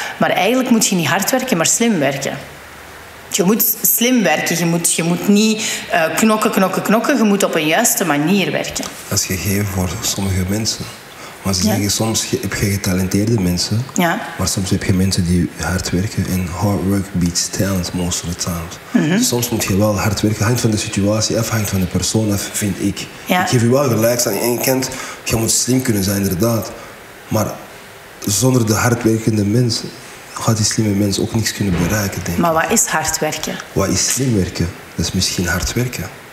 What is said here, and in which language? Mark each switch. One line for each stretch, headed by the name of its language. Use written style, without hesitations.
Dutch: Maar eigenlijk moet je niet hard werken, maar slim werken. Je moet slim werken, je moet niet knokken, je moet op een juiste manier werken. Dat is gegeven voor sommige mensen. Maar ze zeggen, soms heb je getalenteerde mensen, maar soms heb je mensen die hard werken.
English: En hard work beats talent most of the time. Mm-hmm.
Dutch: Soms moet je wel hard werken, hangt van de situatie af, hangt van de persoon af, vind ik. Ja. Ik geef je wel gelijk, aan één kant, je moet slim kunnen zijn, inderdaad. Maar zonder de hardwerkende mensen gaat die slimme mens ook niks kunnen bereiken, denk ik. Maar wat is hard werken? Wat is slim werken? Dat is misschien hard werken.